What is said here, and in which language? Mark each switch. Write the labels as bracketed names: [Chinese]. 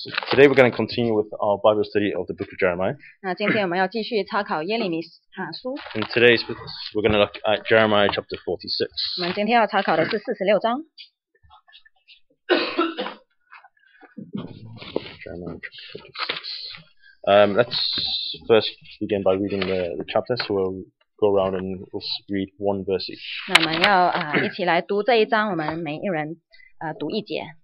[English] Today we're going to continue with our Bible study of the book of Jeremiah. [Chinese] 那今天我们要继续查考耶利米书。 [English] And today we're going to look at Jeremiah chapter 46. [Chinese] 我们今天要查考的是四十六章。 [English] Jeremiah chapter 46. Let's first begin by reading the chapter. So we'll go around and we'll read one verse each. [Chinese] 那我们要一起来读这一章，我们每一人读一节。